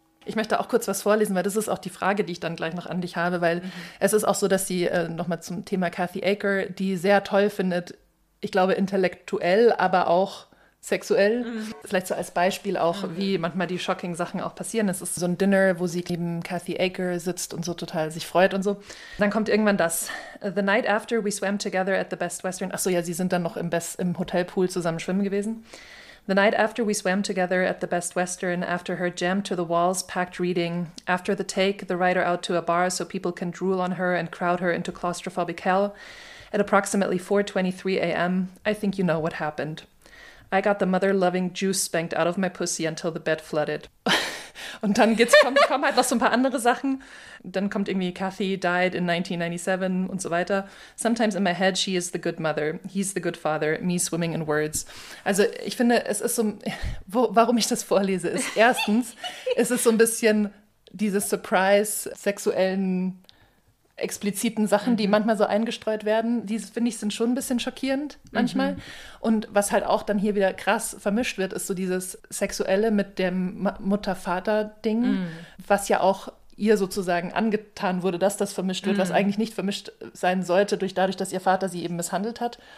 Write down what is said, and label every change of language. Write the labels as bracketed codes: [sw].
[de] Ich möchte auch kurz was vorlesen, weil das ist auch die Frage, die ich dann gleich noch an dich habe, weil es ist auch so, dass sie, nochmal zum Thema Kathy Acker, die sehr toll findet, ich glaube intellektuell, aber auch sexuell, vielleicht so als Beispiel auch, wie manchmal die shocking Sachen auch passieren. Es ist so ein Dinner, wo sie neben Kathy Acker sitzt und so total sich freut und so. Dann kommt irgendwann das. [en] The night after we swam together at the Best Western. [de] Ach so, ja, sie sind dann noch im Hotelpool zusammen schwimmen gewesen. [en] The night after we swam together at the Best Western, after her jammed to the walls, packed reading, after the take, the rider out to a bar so people can drool on her and crowd her into claustrophobic hell, at approximately 4:23 a.m., I think you know what happened. I got the mother-loving juice spanked out of my pussy until the bed flooded. [de] Und dann kommen halt noch so ein paar andere Sachen. Dann kommt irgendwie [en] Kathy died in 1997 [de] und so weiter. [en] Sometimes in my head she is the good mother, he's the good father, me swimming in words. [de] Also ich finde, es ist so, warum ich das vorlese, ist erstens, es ist so ein bisschen diese Surprise sexuellen expliziten Sachen, die manchmal so eingestreut werden, die, finde ich, sind schon ein bisschen schockierend manchmal. Mhm. Und was halt auch dann hier wieder krass vermischt wird, ist so dieses Sexuelle mit dem Mutter-Vater-Ding, was ja auch ihr sozusagen angetan wurde, dass das vermischt wird, was eigentlich nicht vermischt sein sollte, dadurch, dass ihr Vater sie eben misshandelt hat.